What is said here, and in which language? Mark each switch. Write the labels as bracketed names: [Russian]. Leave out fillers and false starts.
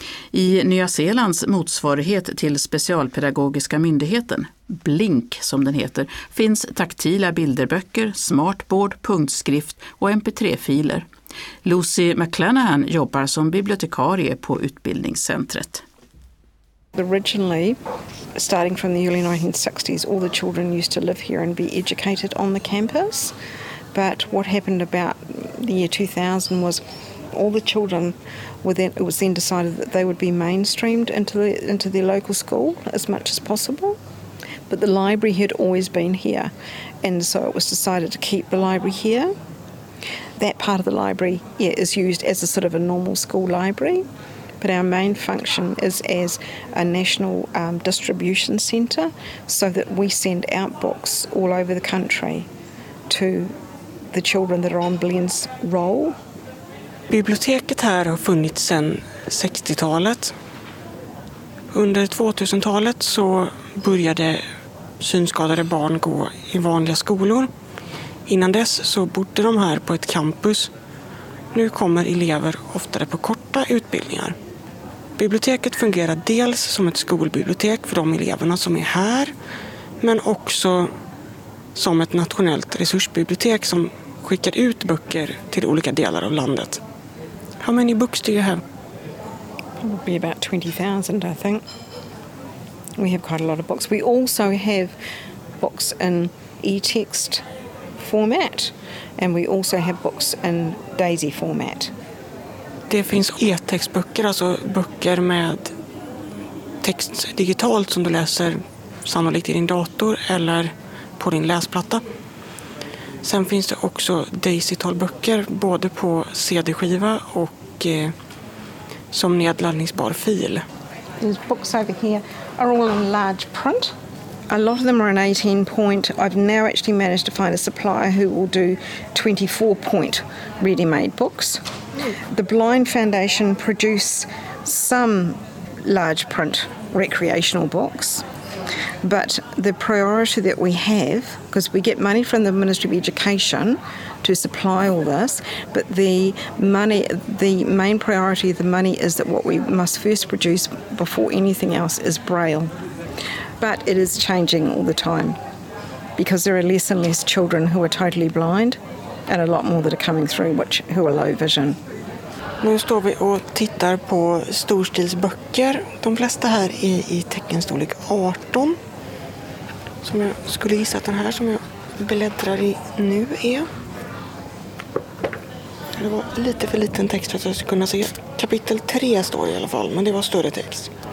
[Swedish] I Nya Zeelands motsvarighet till specialpedagogiska myndigheten, Blink som den heter, finns taktila bilderböcker, smartboard, punktskrift och mp3-filer. Lucy McClanahan jobbar som bibliotekarie på utbildningscentret. [English] Originally, starting from the early 1960s, all the children used to live here and be educated on the campus. But what happened about the year 2000 was all the children were then, it was then decided that they would be mainstreamed into their local school as much as possible. But the library had always been here, and so it was decided to keep the library here. That part of the library, yeah, is used as a sort of a normal school library. But our main function is as a national distribution centre, so that we send out books all over the country to the children that are on Blink's roll. [Swedish] Biblioteket här har funnits sedan 60-talet. Under 2000-talet så började synskadade barn gå i vanliga skolor. Innan dess så bodde de här på ett campus. Nu kommer elever oftare på korta utbildningar. Biblioteket fungerar dels som ett skolbibliotek för de eleverna som är här, men också som ett nationellt resursbibliotek som skickar ut böcker till olika delar av landet. [English] How many books do you have? Probably about 20,000, I think. We have quite a lot of books. We also have books in e-text format and we also have books in DAISY format. [Swedish] Det finns e-textböcker, alltså böcker med text digitalt som du läser sannolikt i din dator eller på din läsplatta. Sen finns det också DAISY-talböcker både på CD-skiva och som nedladdningsbar fil. [English] These books over here are all in large print. A lot of them are in 18 point. I've now actually managed to find a supplier who will do 24 point ready-made books. The Blind Foundation produce some large print recreational books, but the priority that we have, because we get money from the Ministry of Education to supply all this, but the main priority of the money is that what we must first produce before anything else is Braille. But it is changing all the time because there are less and less children who are totally blind and a lot more that are coming through who are low vision. [Swedish] Nu står vi och tittar på storstilsböcker. De flesta här är i teckenstorlek 18. Som jag skulle gissa att den här som jag bläddrar i nu är. Det var lite för liten text för att jag skulle kunna se. Kapitel 3 står i alla fall, men det var större text.